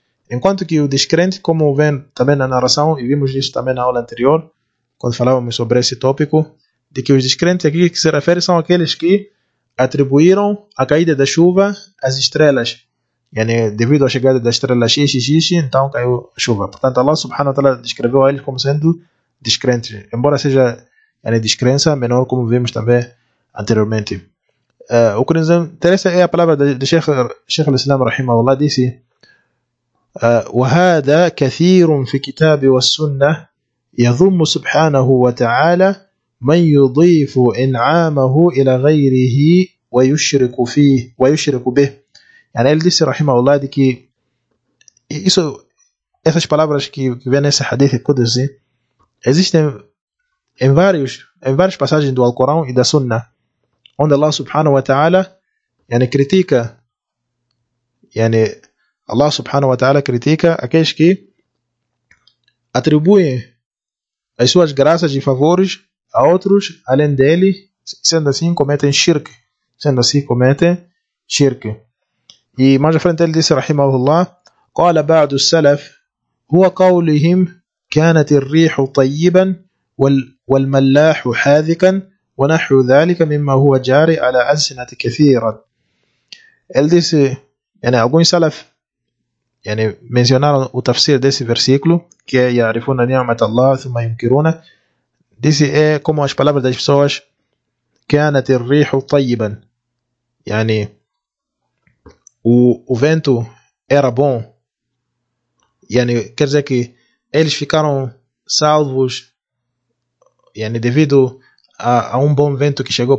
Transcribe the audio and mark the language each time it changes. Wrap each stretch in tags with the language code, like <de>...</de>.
<pt>enquanto que o descrente, como vem também na narração, e vimos isso também na aula anterior, quando falávamos sobre esse tópico, de que os descrentes aqui que se referem são aqueles que atribuíram a caída da chuva às estrelas, yani, devido à chegada da estrela XXX, então caiu a chuva. Portanto, Allah subhanahu wa ta'ala descreveu a eles como sendo descrentes, embora seja yani, descrença menor, como vimos também anteriormente. O que nos interessa é a palavra de Sheikh al-Islam rahimahu Allah, disse:</pt> <ar>وهذا كثير في كتاب والسنة يضم سبحانه وتعالى من يضيف إنعامه إلى غيره ويشرك فيه ويشرك به.</ar> <pt>Yani ele disse rahimahu Allah de que isso, essas palavras que vem nesse hadith Qudsi existem em várias passagens do Alcorão e da Sunna, onde Allah subhanahu wa ta'ala yani, critica, yani, Allah subhanahu wa ta'ala critica aqueles que atribuem as suas graças e favores a outros além dele, sendo assim cometem shirk. Sendo assim cometem shirk. E mais à frente ele disse, rahimahullah,</pt> <ar>قال بعض السلف هو قولهم كانت الريح طيبا والملاح حاذقا ونحو ذلك مما هو جاري على ألسنة كثيرا.</ar> <pt>Ele disse, yani, alguns salaf yani, mencionaram o tafsir desse versículo, que é</pt> <ar>يعرفون نعمة الله ثم ينكرون.</ar> <pt>Disse, é como as palavras das pessoas</pt> <ar>كانت الريح طيبا,</ar> <pt>yani, o vento era bom, yani, quer dizer que eles ficaram salvos yani, devido a um bom vento que chegou.</pt>